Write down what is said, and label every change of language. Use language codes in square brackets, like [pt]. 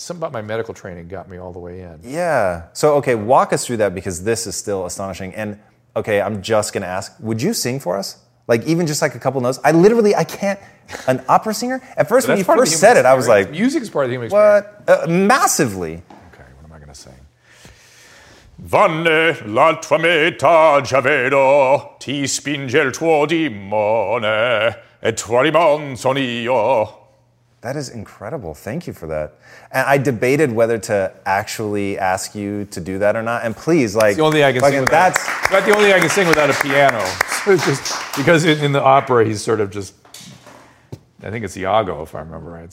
[en] Something about my medical training got me all the way in. Yeah. So okay, walk us through that because this is still astonishing. And okay, I'm just gonna ask: would you sing for us? Like even just like a couple notes? I can't. An opera singer? At first, when you first said it, I was like, "Music is part of the human experience." What? Massively. Okay. What am I gonna sing? [it] Vanne la tua metà già vedo ti spinge il tuo demone. [en] That is incredible. Thank you for that. And I debated whether to actually ask you to do that or not. And please, like... It's the only I can sing without... That's not the only I can sing without a piano. It's just because in the opera, he's sort of just... I think it's Iago, if I remember right.